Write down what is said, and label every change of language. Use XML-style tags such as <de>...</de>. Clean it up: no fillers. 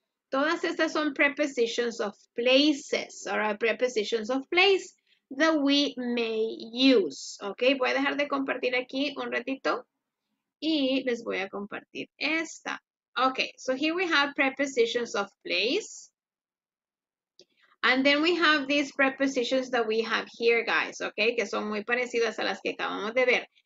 <es>Todas estas son</es> <en>prepositions of places, or prepositions of place that we may use.</en> <es>Okay, voy a dejar de compartir aquí un ratito y les voy a compartir esta.</es> <en>Okay, so here we have prepositions of place. And then we have these prepositions that we have here, guys, okay?</en> <es>Que son muy parecidas a las que acabamos de ver.</es>